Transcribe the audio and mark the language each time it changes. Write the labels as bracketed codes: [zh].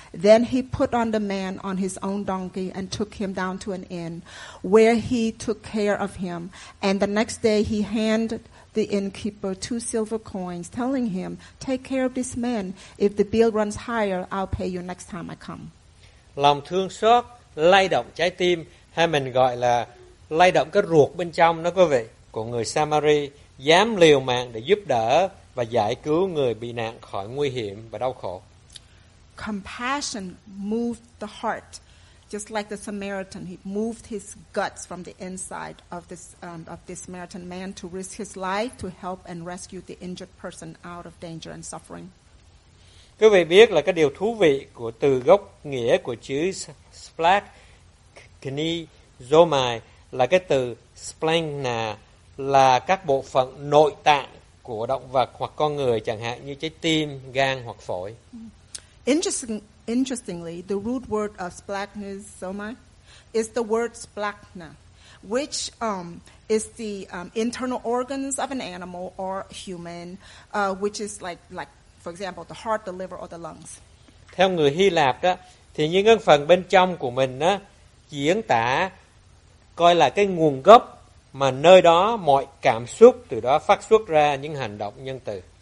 [en] Then he put on the man on his own donkey and took him down to an inn where he took care of him. And the next day he handed the innkeeper 2 silver coins, telling him, take care of this man. If the bill runs higher, I'll pay you next time I come. [vi] Lòng thương xót lay động trái tim, hay mình gọi là lay động cái ruột bên trong đó quý vị, của người Samari, dám liều mạng để giúp đỡ và giải cứu người bị nạn khỏi nguy hiểm và đau khổ. [en] Compassion moved the heart, just like the Samaritan. He moved his guts from the inside of this Samaritan man to risk his life to help and rescue the injured person out of danger and suffering. [vi] Quý vị biết là cái điều thú vị của từ gốc nghĩa của chữ splat kni zomai là cái từ splena, là các bộ phận nội tạng của động vật hoặc con người, chẳng hạn như trái tim, gan hoặc phổi. [en] Interestingly, the root word of splachna is the word splachna, which is the internal organs of an animal or human, which is like for example the heart, the liver or the lungs. [vi] Theo người Hy Lạp đó, thì những cái phần bên trong của mình đó diễn tả coi là cái nguồn gốc mà nơi đó mọi cảm xúc từ đó phát xuất ra những hành động nhân từ.